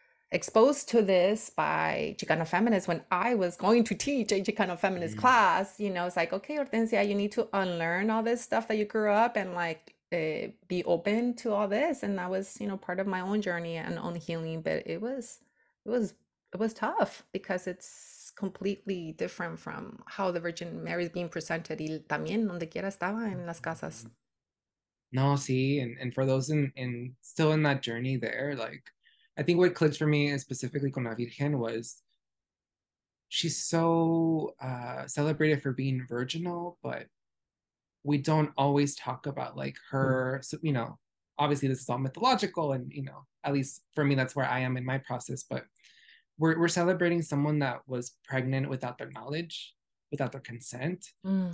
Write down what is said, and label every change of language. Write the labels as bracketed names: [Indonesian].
[English] exposed to this by Chicano feminists when I was going to teach a Chicano feminist class, you know, it's like, okay, Hortensia, you need to unlearn all this stuff that you grew up and like be open to all this. And that was, you know, part of my own journey and own healing, but it was tough because it's completely different from how the Virgin Mary is being presented. [Spanish] Y también donde quiera estaba en las casas. [English] No, see, and for those in still in that journey there, like, I think what clicked for me specifically [Spanish] con la Virgen [English] was she's so celebrated for being virginal, but we don't always talk about like her, so, you know, obviously this is all mythological and, you know, at least for me, that's where I am in my process, but we're celebrating someone that was pregnant without their knowledge, without their consent. Mm.